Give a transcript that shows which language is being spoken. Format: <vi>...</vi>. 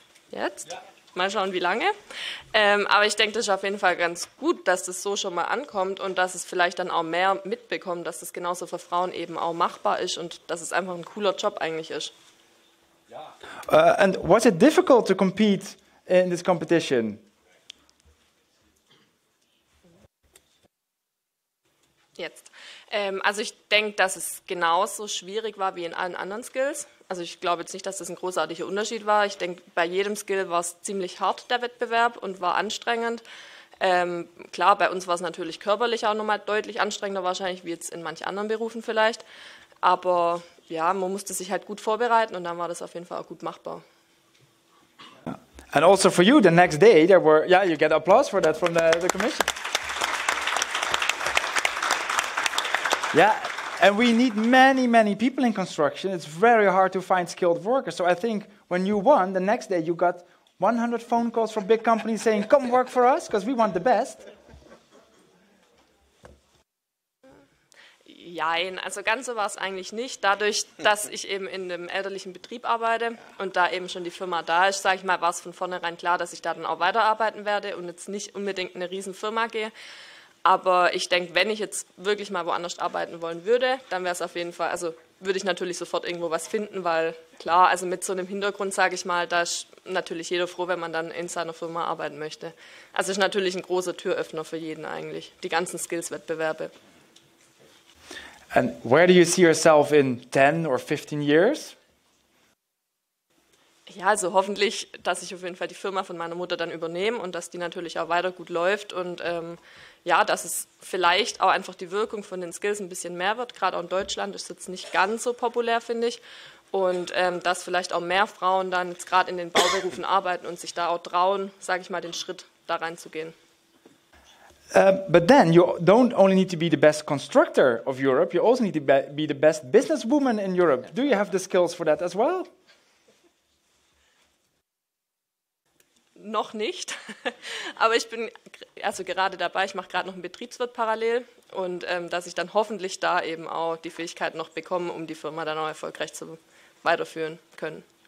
<de>Jetzt. Mal schauen, wie lange. Aber ich denke, das ist auf jeden Fall ganz gut, dass das so schon mal ankommt und dass es vielleicht dann auch mehr mitbekommt, dass das genauso für Frauen eben auch machbar ist und dass es einfach ein cooler Job eigentlich ist.</de> <en>And was it difficult to compete in this competition?</en> <de>Jetzt. Also ich denke, dass es genauso schwierig war wie in allen anderen Skills. Also ich glaube jetzt nicht, dass das ein großartiger Unterschied war. Ich denke, bei jedem Skill war es ziemlich hart, der Wettbewerb, und war anstrengend. Klar, bei uns war es natürlich körperlich auch nochmal deutlich anstrengender wahrscheinlich, wie jetzt in manch anderen Berufen vielleicht. Aber ja, man musste sich halt gut vorbereiten und dann war das auf jeden Fall auch gut machbar.</de> <en>And also for you, the next day, there were... Yeah, you get applause for that from the commission. Yeah, and we need many, many people in construction. It's very hard to find skilled workers. So I think when you won, the next day, you got 100 phone calls from big companies saying, come work for us because we want the best.</en> <de>Nein, also ganz so war es eigentlich nicht. Dadurch, dass ich eben in einem elterlichen Betrieb arbeite und da eben schon die Firma da ist, sage ich mal, war es von vornherein klar, dass ich da dann auch weiterarbeiten werde und jetzt nicht unbedingt in eine Riesenfirma gehe. Aber ich denke, wenn ich jetzt wirklich mal woanders arbeiten wollen würde, dann wäre es auf jeden Fall, also würde ich natürlich sofort irgendwo was finden, weil klar, also mit so einem Hintergrund, sage ich mal, da ist natürlich jeder froh, wenn man dann in seiner Firma arbeiten möchte. Also ist natürlich ein großer Türöffner für jeden eigentlich, die ganzen Skills-Wettbewerbe.</de> <en>And where do you see yourself in 10 or 15 years?</en> <de>Ja, also hoffentlich, dass ich auf jeden Fall die Firma von meiner Mutter dann übernehme und dass die natürlich auch weiter gut läuft und ja, dass es vielleicht auch einfach die Wirkung von den Skills ein bisschen mehr wird. Gerade auch in Deutschland ist es jetzt nicht ganz so populär, finde ich. Und dass vielleicht auch mehr Frauen dann jetzt gerade in den Bauberufen arbeiten und sich da auch trauen, sage ich mal, den Schritt da reinzugehen.</de> <en>But then you don't only need to be the best constructor of Europe, you also need to be the best businesswoman in Europe. Do you have the skills for that as well?</en> <de>Noch nicht, aber ich bin also gerade dabei, ich mache gerade noch einen Betriebswirt parallel und dass ich dann hoffentlich da eben auch die Fähigkeiten noch bekomme, um die Firma dann auch erfolgreich zu weiterführen können.</de>